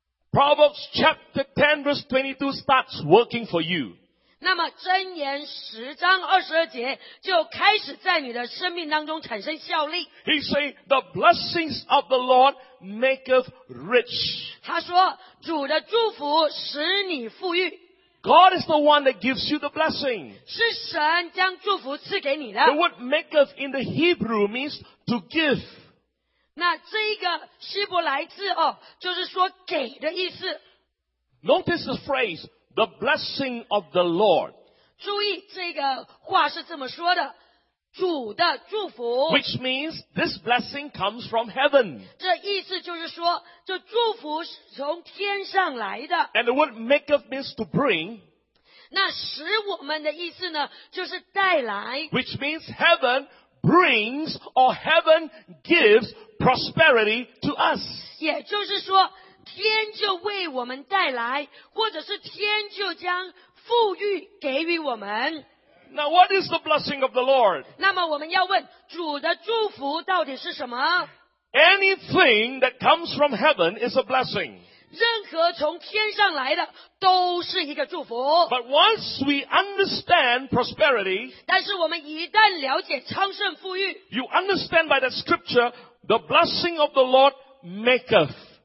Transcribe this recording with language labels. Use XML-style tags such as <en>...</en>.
<en>Proverbs chapter 10 verse 22 starts working for you.</en> <zh>那么箴言十章二十二节就开始在你的生命当中产生效力。</zh> <en>He said, the blessings of the Lord maketh rich.</en> <zh>他说主的祝福使你富裕。</zh> <en>God is the one that gives you the blessing.</en> <zh>是神将祝福赐给你的。</zh> <en>The word maketh in the Hebrew means to give.</en> <zh>那这一个希伯来字哦，就是说给的意思。</zh> <en>Notice the phrase, the blessing of the Lord.</en> <zh>注意这个话是这么说的，主的祝福。</zh> <en>Which means this blessing comes from heaven.</en> <zh>这意思就是说这祝福是从天上来的。</zh> <en>And the word maketh means to bring.</en> <zh>那使我们的意思呢就是带来。</zh> <en>Which means heaven brings or heaven gives prosperity to us.</en> <zh>也就是说天就为我们带来，或者是天就将富裕给予我们。</zh> <en>Now what is the blessing of the Lord?</en> <zh>那么我们要问主的祝福到底是什么？</zh> <en>Anything that comes from heaven is a blessing.</en> <zh>任何从天上来的都是一个祝福。</zh> <en>But once we understand prosperity,</en> <zh>但是我们一旦了解昌盛富裕，</zh> <en>You understand by the scripture, the blessing of the Lord maketh.</en>